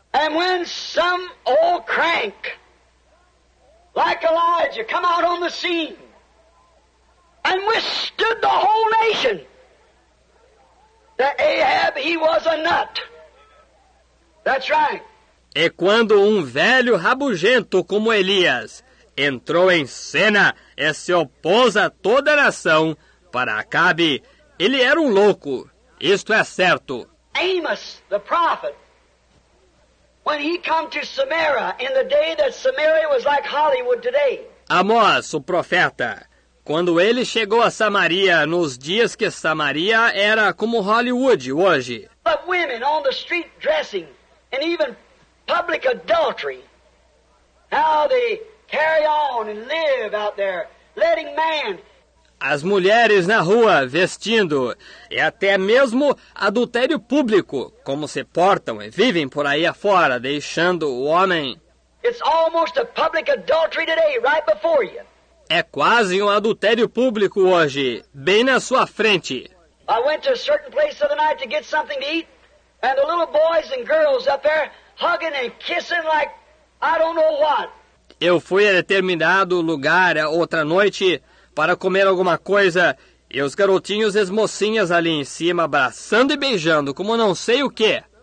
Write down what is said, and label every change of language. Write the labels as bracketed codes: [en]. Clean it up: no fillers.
[en] And when some old crank like Elijah come out on the scene and withstood the whole nation, that Ahab, he was a nut. That's right. [pt] E quando um velho rabugento como Elias entrou em cena e se opôs a toda a nação, para Acabe, ele era um louco. Isto é certo. [en] Amos, the prophet, when he came to Samaria in the day that Samaria was like Hollywood today. [pt] Amós, o profeta, quando ele chegou a Samaria nos dias que Samaria era como Hollywood hoje. [en] But women on the street dressing and even public adultery, how they carry on and live out there, letting man. [pt] As mulheres na rua vestindo, e até mesmo adultério público, como se portam e vivem por aí afora, deixando o homem. [en] It's almost a public adultery today, right before you. [pt] É quase um adultério público hoje, bem na sua frente. [en] I went to a certain place the other night to get something to eat, and the little boys and girls up there hugging and kissing like I don't know what. [pt] Eu fui a determinado lugar outra noite para comer alguma coisa, e os garotinhos e as mocinhas ali em cima abraçando e beijando como não sei o que.